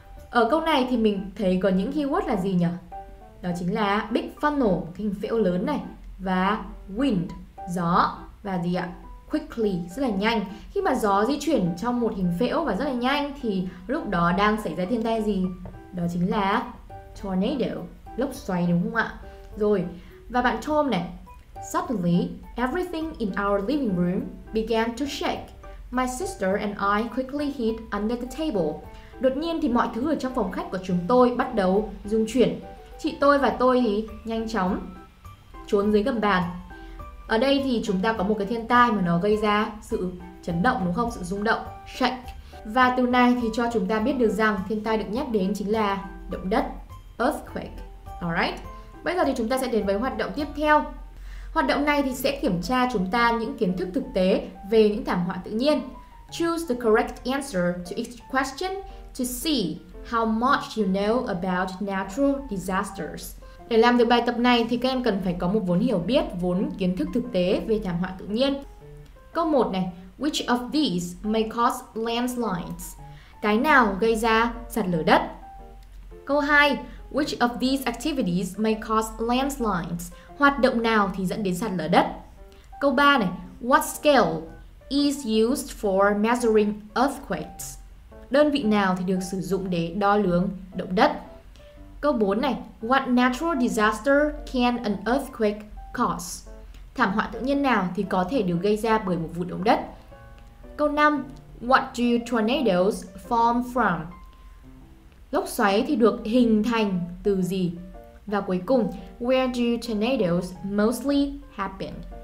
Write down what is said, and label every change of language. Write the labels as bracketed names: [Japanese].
[Vietnamese] Ở câu này thì mình thấy có những keyword là gì nhỉ? Đó chính là big funnel, cái hình phễu lớn này, và wind, gió, và gì ạ? Quickly, rất là nhanh. Khi mà gió di chuyển trong một hình phễu và rất là nhanh thì lúc đó đang xảy ra thiên tai gì? Đó chính là tornado, lốc xoáy đúng không ạ? Rồi, và bạn Tom này. [English] Suddenly, everything in our living room began to shake. My sister and I quickly hid under the table. [Vietnamese] Đột nhiên thì mọi thứ ở trong phòng khách của chúng tôi bắt đầu rung chuyển. Chị tôi và tôi thì nhanh chóng trốn dưới gầm bàn. Ở đây thì chúng ta có một cái thiên tai mà nó gây ra sự chấn động đúng không? Sự rung động, shake. Và từ này thì cho chúng ta biết được rằng thiên tai được nhắc đến chính là động đất, earthquake. Alright. Bây giờ thì chúng ta sẽ đến với hoạt động tiếp theo. Hoạt động này thì sẽ kiểm tra chúng ta những kiến thức thực tế về những thảm họa tự nhiên. [English] Choose the correct answer to each question to see how much you know about natural disasters. [Vietnamese] Để làm được bài tập này thì các em cần phải có một vốn hiểu biết, vốn kiến thức thực tế về thảm họa tự nhiên. Câu 1 này, [English] which of these may cause landslides? [Vietnamese] Cái nào gây ra sạt lở đất? Câu 2, [English] which of these activities may cause landslides? [Vietnamese] Hoạt động nào thì dẫn đến sạt lở đất? Câu 3 này, [English] what scale is used for measuring earthquakes? [Vietnamese] Đơn vị nào thì được sử dụng để đo lường động đất? Câu 4 này, [English] what natural disaster can an earthquake cause? [Vietnamese] Thảm họa tự nhiên nào thì có thể được gây ra bởi một vụ động đất? Câu 5, [English] what do tornadoes form from? [Vietnamese] Lốc xoáy thì được hình thành từ gì? Và cuối cùng, [English] where do tornadoes mostly happen?